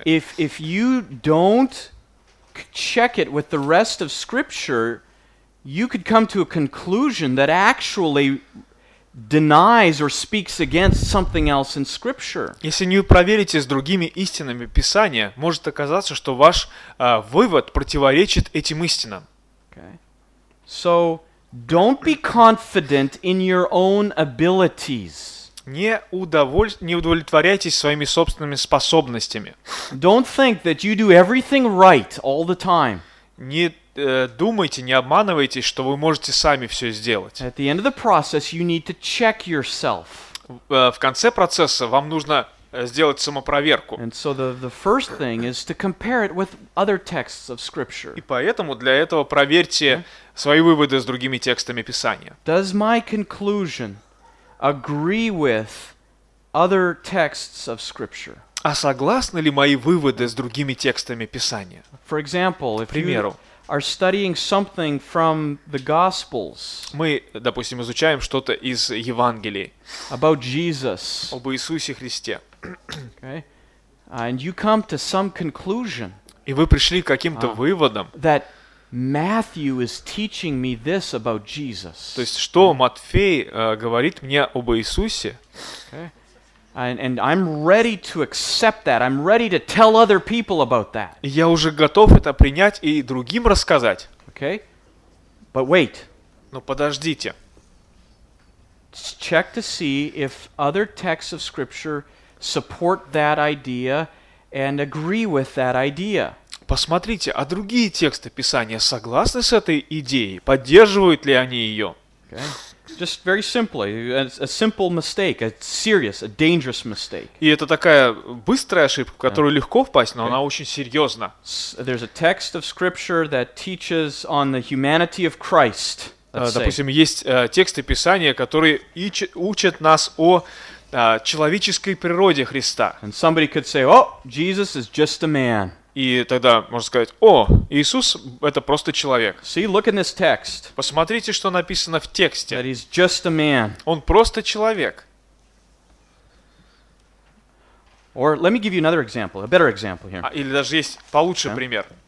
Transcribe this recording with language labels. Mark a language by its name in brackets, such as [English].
[English] If you don't check it with the rest of Scripture, you could come to a conclusion that actually denies or speaks against something else in Scripture. [Russian] Если не проверите с другими истинами Писания, может оказаться, что ваш вывод противоречит этим истинам. [English] Okay. So don't be confident in your own abilities. [Russian] Не удовлетворяйтесь своими собственными способностями. [English] Don't think that you do everything right all the time. [Russian] Не думайте, не обманывайтесь, что вы можете сами все сделать. [English] At the end of the process, you need to check yourself. [Russian] В конце процесса вам нужно сделать самопроверку. [English] And so the first thing is to compare it with other texts of Scripture. [Russian] И поэтому для этого проверьте свои выводы с другими текстами Писания. [English] Does my conclusion agree with other texts of Scripture? [Russian] А согласны ли мои выводы с другими текстами Писания? [English] For example, if you are studying something from the Gospels, [Russian] мы, допустим, изучаем что-то из Евангелий, [English] about Jesus, [Russian] об Иисусе Христе, [English] okay, and you come to some conclusion, [Russian] и вы пришли к каким-то выводам, [English] that Matthew is teaching me this about Jesus. [Russian] То есть, что Матфей говорит мне об Иисусе? [English] Okay. And I'm ready to accept that. I'm ready to tell other people about that. [Russian] Я уже готов это принять и другим рассказать. [English] Okay. But wait. [Russian] Но подождите. [English] Check to see if other texts of Scripture support that idea and agree with that idea. [Russian] Посмотрите, а другие тексты Писания согласны с этой идеей? Поддерживают ли они ее? [English] Okay. Just very simply, a simple mistake, a serious, a dangerous mistake. [Russian] И это такая быстрая ошибка, в которую легко впасть, но она очень серьезна. [English] There's a text of Scripture that teaches on the humanity of Christ. [Russian] Допустим, есть тексты Писания, которые учат нас о человеческой природе Христа. [English] And somebody could say, "Oh, Jesus is just a man." [Russian] И тогда можно сказать, о, Иисус – это просто человек. [English] See, look in this text. [Russian] Посмотрите, что написано в тексте. [English] That he's just a man. [Russian] Он просто человек. [English] Or let me give you another example, a better example here. [Russian] Или даже есть получше пример.